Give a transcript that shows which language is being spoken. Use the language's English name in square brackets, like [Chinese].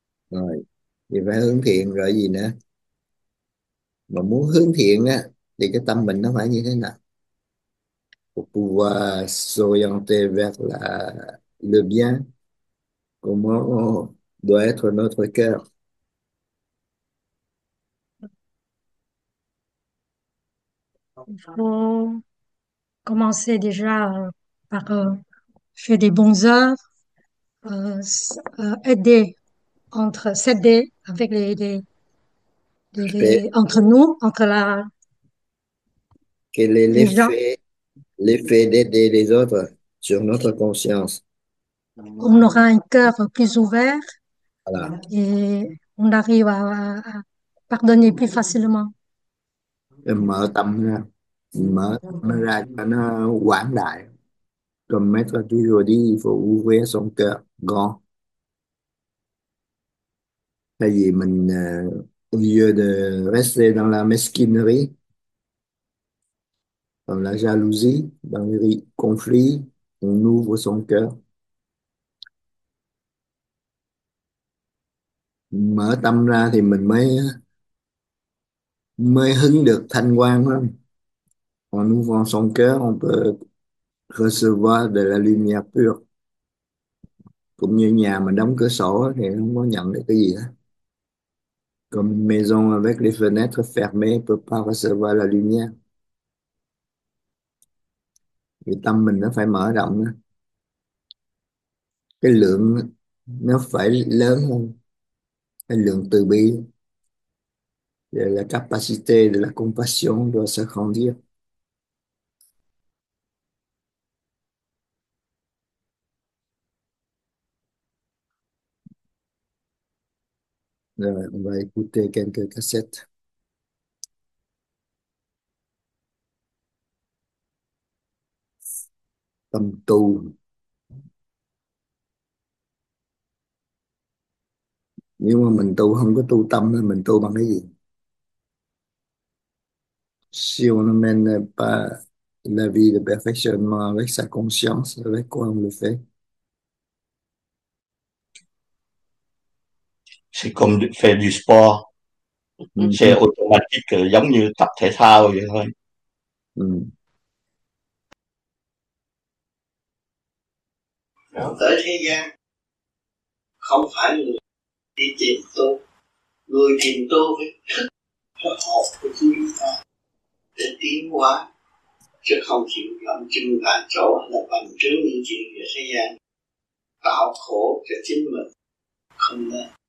[Vietnamese] rồi thì phải hướng thiện rồi gì nữa, mà muốn hướng thiện á thì cái tâm mình nó phải như thế nào? [French] Pour pouvoir s'orienter vers le bien, comment doit être notre cœur? Il faut commencer déjà par faire des bonnes œuvres, aider entre s'aider avec les entre nous, entre Quel est les gens. l'effet d'aider les autres sur notre conscience? On aura un cœur plus ouvert Voilà. et on arrive à pardonner plus facilement. [Vietnamese] Et mở tâm ra, mở tâm ra cho nó quảng đại. [French] Comme maître toujours dit, il faut ouvrir son cœur grand. [Vietnamese] Tại vì mình [French] au lieu de rester dans la mesquinerie, dans la jalousie, dans les conflits, on ouvre son cœur. [Vietnamese] Mở tâm ra thì mình mới mới hứng được thanh quang. [French] En ouvrant son cœur, on peut recevoir de la lumière pure. [Vietnamese] Cũng như nhà mà đóng cửa sổ thì không có nhận được cái gì hết. [French] Comme une maison avec les fenêtres fermées ne peut pas recevoir la lumière. [Vietnamese] Vì tâm mình nó phải mở rộng. Cái lượng nó phải lớn hơn. Cái lượng từ bi. [French] Vì la capacité de la compassion doit se grandir. Rồi, on va écouter quelques cassettes. [Vietnamese] Tâm tu. Nếu mà mình tu không có tu tâm thì mình tu bằng cái gì? [French] Siêu nó men pa la vie de perfectionnement avec sa conscience, avec quoi on le fait? C'est comme faire du sport. C'est automatique, [Vietnamese] giống như tập thể thao vậy thôi. Đạo tới thế gian không phải người đi tìm tu, người tìm tu phải thức và học của chúng ta để tiến hóa, chứ không chịu làm chân tại chỗ là bằng chứng những chuyện về thế gian tạo khổ cho chính mình không nên.